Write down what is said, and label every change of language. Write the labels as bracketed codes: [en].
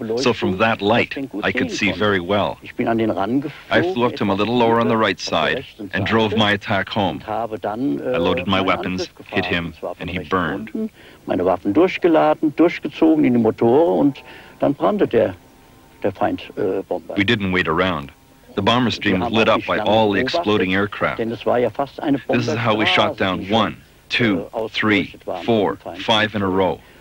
[en] So from that light, I could see very well. I flew up to him a little lower on the right side and drove my attack home. I loaded my weapons, hit him, and he burned. [de] Meine Waffen durchgeladen, durchgezogen in den Motor und dann brannte der. [en] We didn't wait around. The bomber stream was lit up by all the exploding aircraft. This is how we shot down one, two, three, four, five in a row.